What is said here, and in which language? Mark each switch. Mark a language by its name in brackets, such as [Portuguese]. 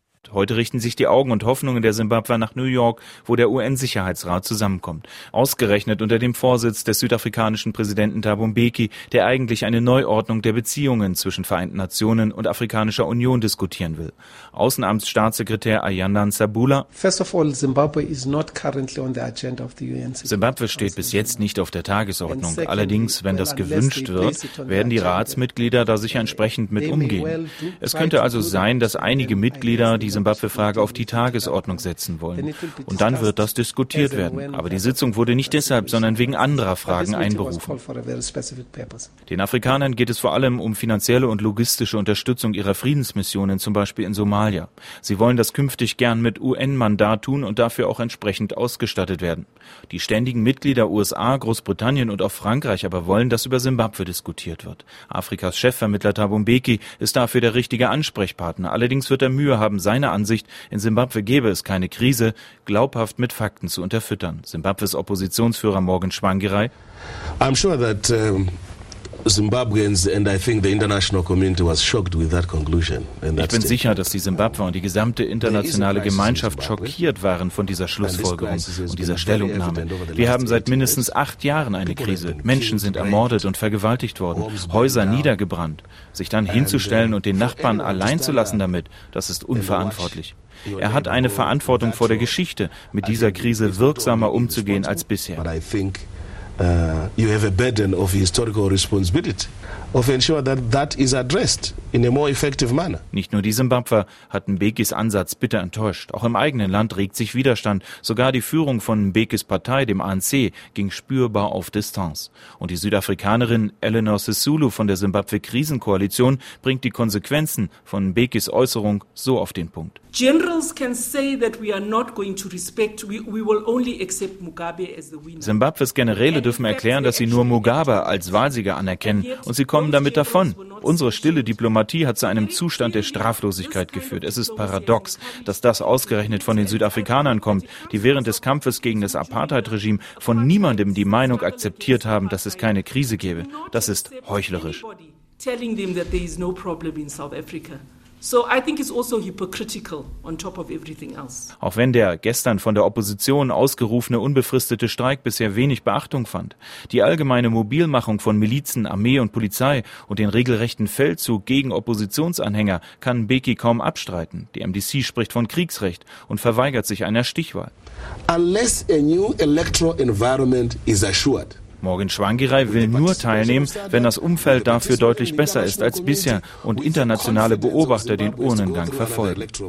[German] Heute richten sich die Augen und Hoffnungen der Simbabwer nach New York, wo der UN-Sicherheitsrat zusammenkommt. Ausgerechnet unter dem Vorsitz des südafrikanischen Präsidenten Thabo Mbeki, der eigentlich eine Neuordnung der Beziehungen zwischen Vereinten Nationen und Afrikanischer Union diskutieren will. Außenamtsstaatssekretär Ayanda Nsabula: [English] First of all, Zimbabwe is not currently on the agenda of the UN. [German] Zimbabwe steht bis jetzt nicht auf der Tagesordnung. Allerdings, wenn das gewünscht wird, werden die Ratsmitglieder da sicher entsprechend mit umgehen. Es könnte also sein, dass einige Mitglieder die Simbabwe-Frage auf die Tagesordnung setzen wollen. Und dann wird das diskutiert werden. Aber die Sitzung wurde nicht deshalb, sondern wegen anderer Fragen einberufen. Den Afrikanern geht es vor allem um finanzielle und logistische Unterstützung ihrer Friedensmissionen, zum Beispiel in Somalia. Sie wollen das künftig gern mit UN-Mandat tun und dafür auch entsprechend ausgestattet werden. Die ständigen Mitglieder USA, Großbritannien und auch Frankreich aber wollen, dass über Simbabwe diskutiert wird. Afrikas Chefvermittler Thabo Mbeki ist dafür der richtige Ansprechpartner. Allerdings wird er Mühe haben, seine Ansicht, in Simbabwe gäbe es keine Krise, glaubhaft mit Fakten zu unterfüttern. Simbabwes Oppositionsführer Morgan Tsvangirai: [English] I'm sure that Zimbabweans and I think the international community was shocked with that conclusion. [German] Ich bin sicher, dass die Simbabwe und die gesamte internationale Gemeinschaft schockiert waren von dieser Schlussfolgerung und dieser Stellungnahme. Wir haben seit mindestens 8 Jahren eine Krise. Menschen sind ermordet und vergewaltigt worden, Häuser niedergebrannt. Sich dann hinzustellen und den Nachbarn allein zu lassen damit, das ist unverantwortlich. Er hat eine Verantwortung vor der Geschichte, mit dieser Krise wirksamer umzugehen als bisher. [English] you have a burden of historical responsibility of ensuring that that is addressed in a more effective manner. [German] Nicht nur die Simbabwer hatten Mbekis Ansatz bitter enttäuscht. Auch im eigenen Land regt sich Widerstand. Sogar die Führung von Mbekis Partei, dem ANC, ging spürbar auf Distanz. Und die Südafrikanerin Eleanor Sisulu von der Simbabwe-Krisenkoalition bringt die Konsequenzen von Mbekis Äußerung so auf den Punkt. [English] Generals can say that we are not going to respect, we will only accept Mugabe as the winner. [German] Simbabwes Generäle dürfen erklären, dass sie nur Mugabe als Wahlsieger anerkennen und sie kommen damit davon. Unsere stille Diplomatie hat zu einem Zustand der Straflosigkeit geführt. Es ist paradox, dass das ausgerechnet von den Südafrikanern kommt, die während des Kampfes gegen das Apartheid-Regime von niemandem die Meinung akzeptiert haben, dass es keine Krise gäbe. Das ist heuchlerisch. [English] So I think it's also hypocritical on top of everything else. [German] Auch wenn der gestern von der Opposition ausgerufene unbefristete Streik bisher wenig Beachtung fand, die allgemeine Mobilmachung von Milizen, Armee und Polizei und den regelrechten Feldzug gegen Oppositionsanhänger kann Mbeki kaum abstreiten. Die MDC spricht von Kriegsrecht und verweigert sich einer Stichwahl. [English] Unless a new electoral environment is assured. [German] Morgan Tsvangirai will nur teilnehmen, wenn das Umfeld dafür deutlich besser ist als bisher und internationale Beobachter den Urnengang verfolgen.